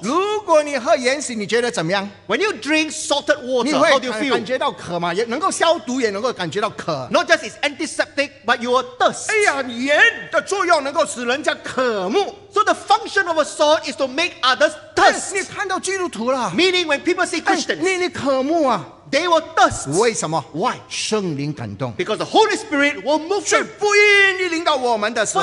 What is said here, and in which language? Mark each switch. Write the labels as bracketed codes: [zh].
[zh] 如果你喝盐水，你觉得怎么样? [en] When you drink salted water, how do you feel? [zh] 感觉到渴吗? 能够消毒也能够感觉到渴。 [en] Not just it's anti septic, but you are thirst. [zh] 哎呀，盐的作用能够使人家渴慕。 [en] So the function of a salt is to make others thirst. [zh] 你看到基督徒了。 [en] Meaning when people see Christians, [zh] 你渴慕啊。 [en] They will thirst. [zh] 为什么? [en] Why? [zh] 圣灵感动。 [en] Because the Holy Spirit will move them. [zh] 所以福音一临到我们的时候,